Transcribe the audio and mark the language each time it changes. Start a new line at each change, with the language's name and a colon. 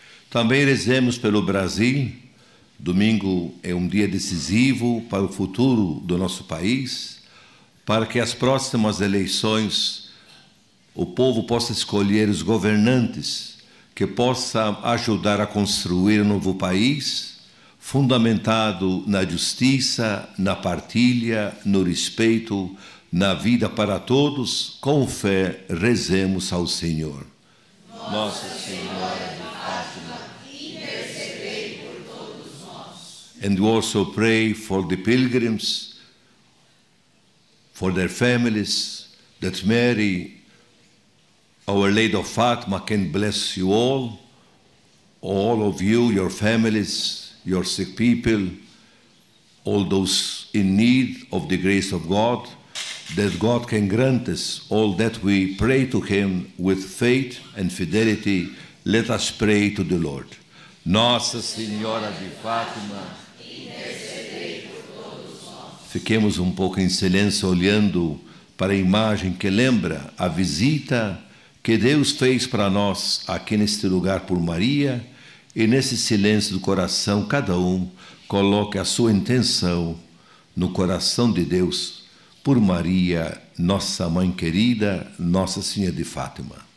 Portuguese: Também rezemos pelo Brasil. Domingo é um dia decisivo para o futuro do nosso país, para que as próximas eleições o povo possa escolher os governantes que possa ajudar a construir um novo país fundamentado na justiça, na partilha, no respeito, na vida para todos. Com fé, rezemos ao Senhor. Nossa Senhora de Fátima, intercedei por todos nós.
English: And we also pray for the pilgrims, for their families, that Mary, Our Lady of Fatima, can bless you all of you, your families, your sick people, all those in need of the grace of God, that God can grant us all that we pray to Him with faith and fidelity. Let us pray to the Lord.
Portuguese: Nossa Senhora de Fátima, intercedei por todos nós. Fiquemos pouco em silêncio olhando para a imagem que lembra a visita que Deus fez para nós aqui neste lugar por Maria, e nesse silêncio do coração, cada coloque a sua intenção no coração de Deus por Maria, nossa mãe querida, Nossa Senhora de Fátima.